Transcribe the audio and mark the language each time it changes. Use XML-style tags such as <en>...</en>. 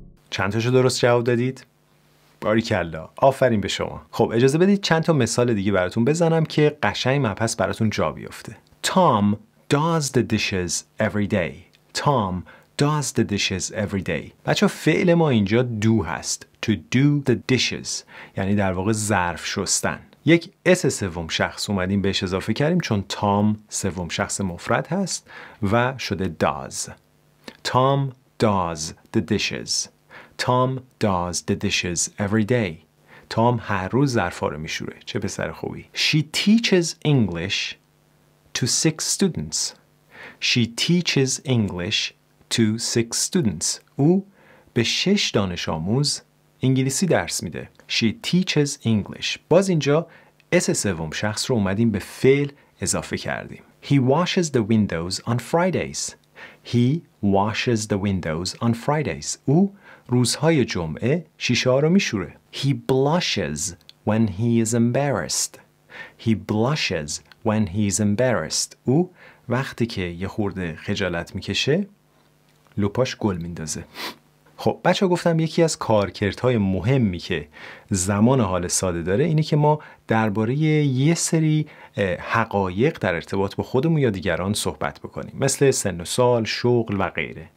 <fa>چند تاشو درست جواب دادید؟ باریکلا، آفرین به شما. خب اجازه بدید چند تا مثال دیگه براتون بزنم که قشنگ مبحث براتون جا بیفته.</fa> <en>Tom does the dishes every day. Tom does the dishes every day.</en> <fa>بچه فعل ما اینجا do هست.</fa> <en>To do the dishes.</en> <fa>یعنی در واقع ظرف شستن. یک اس سوم شخص اومدیم بهش اضافه کردیم چون Tom سوم شخص مفرد هست و شده does.</fa> <en>Tom does the dishes. Tom does the dishes every day.</en> <fa>Tom هر روز ظرفا رو میشوره. چه پسر خوبی.</fa> <en>She teaches English to 6 students. She teaches English to 6 students.</en> <fa>او به 6 دانش آموز انگلیسی درس میده.</fa> <en>She teaches English.</en> <fa>باز اینجا اس سوم شخص رو اومدیم به فعل اضافه کردیم.</fa> <en>He washes the windows on Fridays. He washes the windows on Fridays.</en> <fa>او روزهای جمعه شیشه ها رو میشوره.</fa> <en>He blushes when he is embarrassed. He blushes when he is embarrassed.</en> <fa>او وقتی که یه خورده خجالت میکشه لپاش گل میندازه. خب بچه ها گفتم یکی از کارکردهای مهمی که زمان حال ساده داره اینه که ما درباره یه سری حقایق در ارتباط با خودمون یا دیگران صحبت بکنیم، مثل سن و سال، شغل و غیره.</fa>